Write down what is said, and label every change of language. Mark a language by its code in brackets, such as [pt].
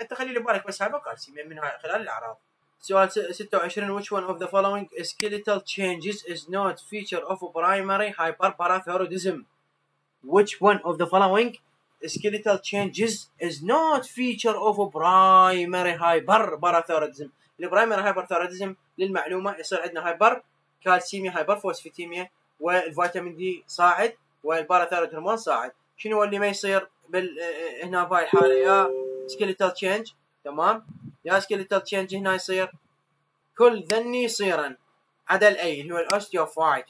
[ar] تخلي لبالك بس هايبوكالسيميا من هاي خلال الاعراض. [en] سؤال 26: which one of the following skeletal changes is not feature of primary hyperparathyroidism? Which one of the following skeletal changes is not feature of primary hyperparathyroidism? [ar] البرايمري هايبرثايرويدزم للمعلومة يصير عندنا هايبر كالسيميا هايبر فوسفيتيميا والفيتامين دي صاعد والباراثايرويد هرمون صاعد. شنو اللي ما يصير هنا في الحالة؟ يا skeletal change، تمام، يا سكيلتال تشينج هنا يصير كل ذني صيرا عدا الاي اللي هو الاوستيوفايت.